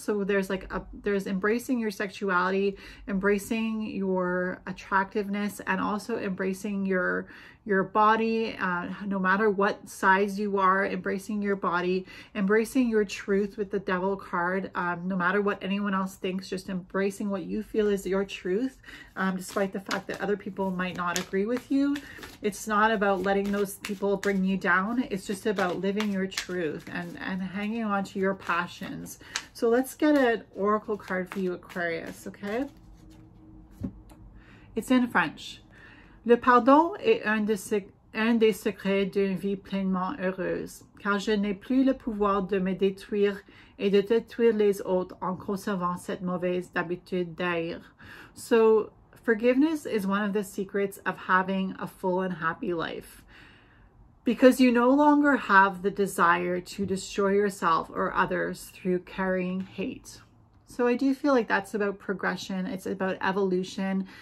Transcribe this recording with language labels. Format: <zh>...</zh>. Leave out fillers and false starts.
<en>So there's embracing your sexuality, embracing your attractiveness, and also embracing your body, no matter what size you are, embracing your body, embracing your truth with the Devil card, no matter what anyone else thinks, just embracing what you feel is your truth, despite the fact that other people might not agree with you. It's not about letting those people bring you down. It's just about living your truth and hanging on to your passions. So let's get an oracle card for you, Aquarius, okay? It's in French.</en> <fr>Le pardon est un des secrets d'une vie pleinement heureuse, car je n'ai plus le pouvoir de me détruire et de détruire les autres en conservant cette mauvaise habitude d'haïr.</fr> <en>So, forgiveness is one of the secrets of having a full and happy life. Because you no longer have the desire to destroy yourself or others through carrying hate. So I do feel like that's about progression. It's about evolution.</en>